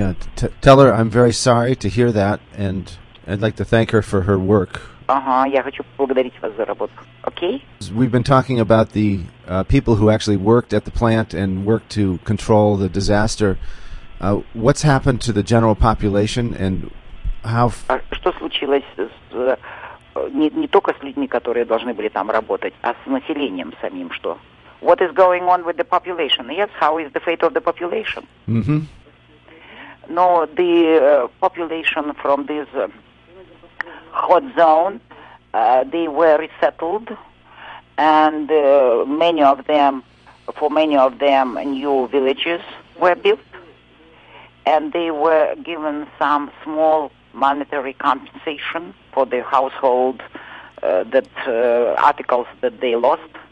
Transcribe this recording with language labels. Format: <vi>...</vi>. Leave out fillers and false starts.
<en>Yeah, tell her I'm very sorry to hear that, and I'd like to thank her for her work.</en> <ru>Uh-huh, я хочу поблагодарить вас за работу, okay?</ru> <en>We've been talking about the people who actually worked at the plant and worked to control the disaster. What's happened to the general population and how...</en> <ru>Что случилось с... Не только с людьми, которые должны были там работать, а с населением самим, что?</ru> <en>What is going on with the population? Yes, how is the fate of the population? Mm-hmm. No, the population from this hot zone, they were resettled, and many of them, new villages were built, and they were given some small monetary compensation for the household articles that they lost.</en>